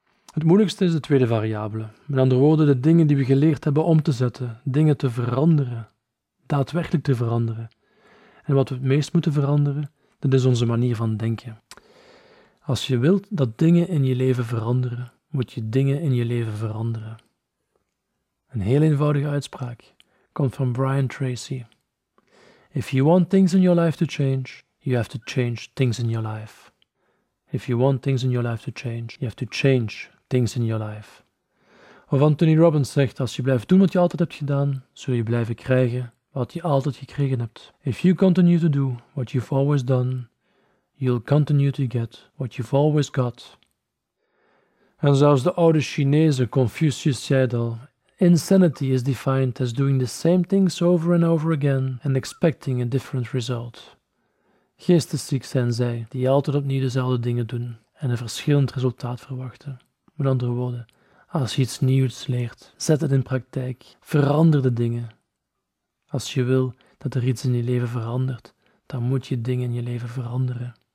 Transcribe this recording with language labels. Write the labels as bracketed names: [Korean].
[Dutch] Het moeilijkste is de tweede variabele. Met andere woorden, de dingen die we geleerd hebben om te zetten, dingen te veranderen, daadwerkelijk te veranderen. En wat we het meest moeten veranderen, dat is onze manier van denken. Als je wilt dat dingen in je leven veranderen, moet je dingen in je leven veranderen. Een heel eenvoudige uitspraak komt van Brian Tracy. [English] If you want things in your life to change, you have to change things in your life. If you want things in your life to change, you have to change things in your life. [Dutch] Of Anthony Robbins zegt, als je blijft doen wat je altijd hebt gedaan, zul je blijven krijgen wat je altijd gekregen hebt. [English] If you continue to do what you've always done, you'll continue to get what you've always got. [Dutch] En zelfs de oude Chinezen, Confucius, zei het al. [English] Insanity is defined as doing the same things over and over again and expecting a different result. [Dutch] Geestesziek zijn zij die altijd opnieuw dezelfde dingen doen en een verschillend resultaat verwachten. Met andere woorden, als je iets nieuws leert, zet het in praktijk. Verander de dingen. Als je wil dat er iets in je leven verandert, dan moet je dingen in je leven veranderen.